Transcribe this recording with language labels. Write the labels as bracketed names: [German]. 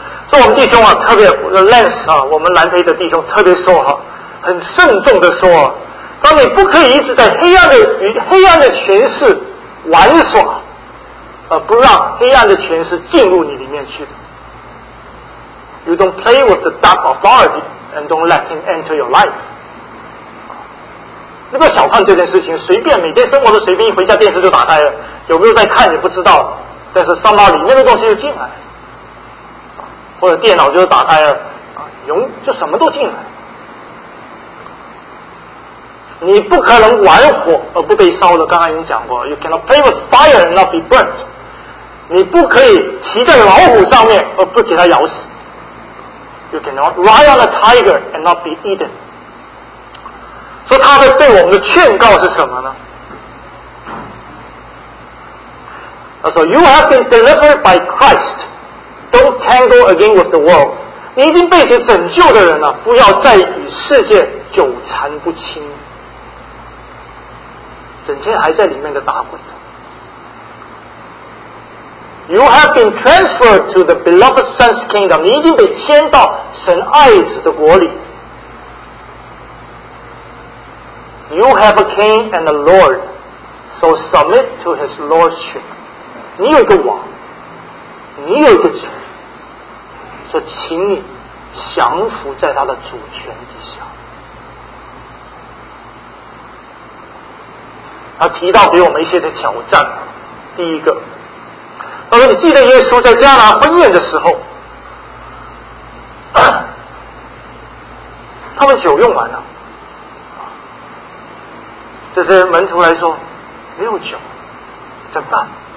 [Chinese] 所以我们弟兄啊，特别 Lens 啊，我们南非的弟兄特别说哈、啊，很慎重的说、啊，当你不可以一直在黑暗的与黑暗的权势玩耍，不让黑暗的权势进入你里面去的。 [English] You don't play with the dark authority and don't let him enter your life。 [Chinese] 你不要小看这件事情，随便每天生活都随便，一回家电视就打开了，有没有在看也不知道，但是上到里面的东西就进来，或者电脑就打开了，就什么都进来。你不可能玩火而不被烧的，刚刚已经讲过 [English] You cannot play with fire and not be burnt。 [Chinese] 你不可以骑在老虎上面而不给它咬死。 [English] You cannot ride on a tiger and not be eaten。 [Chinese] 所以他的对我们的劝告是什么呢？他说 [English] You have been delivered by Christ, don't tangle again with the world。 [Chinese] 你已经被谁拯救的人了，不要再与世界纠缠不清，整天还在里面的打滚。 [English] You have been transferred to the beloved Son's kingdom。 [Chinese] 你已经被迁到神爱子的国里。 [English] You have a king and a lord, so submit to his lordship。 [Chinese] 你有一个王，你有一个主，所以请你降服在他的主权底下。他提到给我们一些的挑战，第一个，他说你记得耶稣在迦拿婚宴的时候，他们酒用完了，这些门徒来说没有酒怎么办？